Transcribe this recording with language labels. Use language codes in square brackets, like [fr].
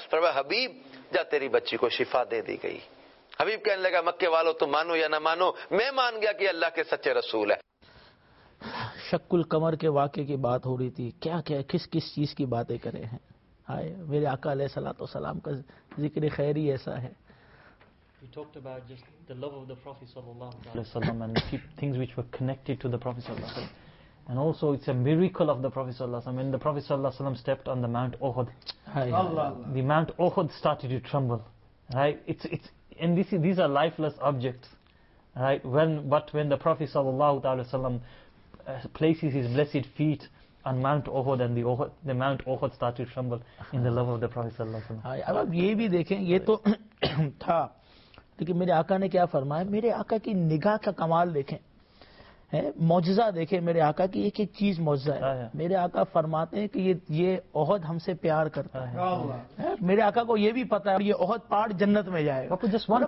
[ur] فرمایا حبیب جا تیری بچی کو شفا دے دی گئی. حبیب کہنے لگا مکے والو تم مانو یا نہ مانو, میں مان گیا کہ اللہ کے سچے رسول ہے. شک القمر کے واقعے کی بات ہو رہی تھی, کیا کیا کس کس چیز کی باتیں کرے ہیں. ہائے میرے آقا علیہ الصلوۃ والسلام کا ذکر خیر ہی ایسا ہے. [en] We talked about just the love of the Prophet sallallahu alaihi wasallam and the few things which were connected to the Prophet sallallahu alaihi wasallam. And also it's a miracle of the Prophet sallallahu alaihi wasallam. When the Prophet sallallahu alaihi wasallam stepped on the Mount Uhud, the Mount Uhud started to tremble. Right? These are lifeless objects. Right? But when the Prophet sallallahu alaihi wasallam places his blessed feet on Mount Uhud, and the Mount Uhud started to tremble in the love of the Prophet sallallahu alaihi wasallam. [ur] Ab ye bhi dekhen, ye to tha. دیکھیے میرے آقا نے کیا فرمایا, میرے آقا کی نگاہ کا کمال دیکھیں, معجزہ دیکھیں میرے آقا کی, ایک ایک چیز معجزہ ہے. میرے آقا فرماتے ہیں کہ یہ احد ہم سے پیار کرتا ہے, میرے آقا کو یہ بھی پتا ہے یہ احد پہاڑ جنت میں جائے گا.